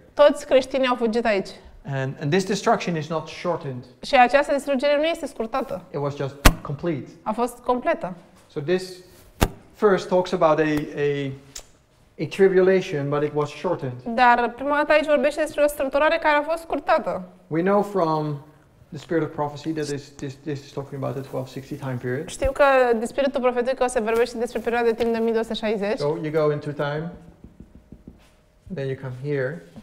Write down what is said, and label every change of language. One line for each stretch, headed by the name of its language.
Romanian: Toți creștinii au fugit aici.
English: And this destruction is not shortened.
Romanian: Și această distrugere nu este scurtată.
English: It was just complete.
Romanian: A fost completă.
English: So this first talks about a tribulation, but it was shortened.
Romanian: Dar prima dată aici vorbește despre o strâmtorare care a fost scurtată.
English: We know from the spirit of prophecy that this is talking about the 1260 time period.
Romanian: Știu că din spiritul profetic că se vorbește despre perioada de timp de 1260.
English: So you go into time, then you come here.